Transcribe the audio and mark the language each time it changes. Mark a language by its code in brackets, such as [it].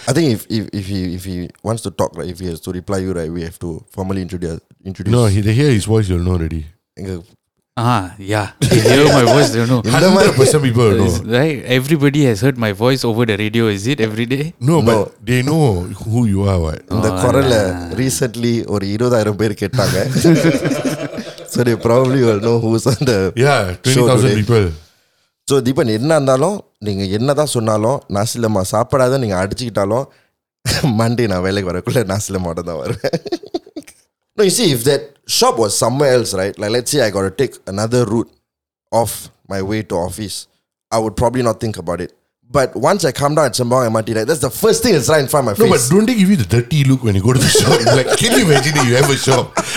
[en] I think if he wants to talk, like if he has to reply you, right, we have to formally introduce. No, they hear his voice, you'll know already. They hear my voice, they don't know. 100% people know. Right? Everybody has heard my voice over the radio, is it? Every day? No, no. But they know who you are, right? In the quarrel, recently, or 20,000 [ta] பேர் கேட்டாங்க. [en] So they probably will know who's on the show today. Yeah, 20,000 [ta] people. So Deepan, என்ன இருந்தாலும் நீங்கள் என்ன தான் சொன்னாலும் நாசிலம்மா சாப்பிடாத நீங்கள் அடிச்சுக்கிட்டாலும் மண்டே நான் வேலைக்கு வரக்குள்ளே நாசிலம்மாட தான் வருவேன். [en] No, you see, if that shop was somewhere else, right? Like, let's say I got to take another route off my way to office. I would probably not think about it. But once I come down at Sembawang MRT, right, that's the first thing that's right in front of my face. No, but don't they give you the dirty look when you go to the shop? Like, can you imagine if you have a shop?